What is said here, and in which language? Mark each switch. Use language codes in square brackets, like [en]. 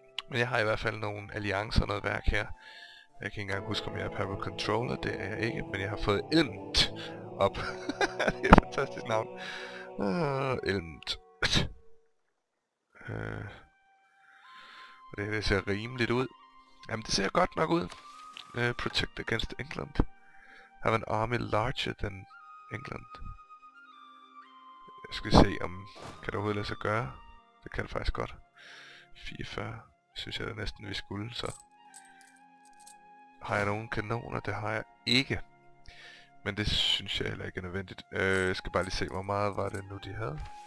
[da] Men jeg har i hvert fald nogle alliancer og noget værk her. Jeg kan ikke engang huske, om jeg er Purple Controller. Det er jeg ikke, men jeg har fået Elmt op. Det er et fantastisk navn. Elmt. Det ser rimeligt ud. Jamen, det ser godt nok ud. [en] Protect against England. Have an army larger than England. [da] Jeg skal se, om... Kan det overhovedet lade sig gøre? Det kan det faktisk godt. 44. Synes jeg da næsten, vi skulle, så... Har jeg nogen kanoner? Det har jeg ikke. Men det synes jeg heller ikke er nødvendigt. Jeg skal bare lige se, hvor meget var det nu, de havde.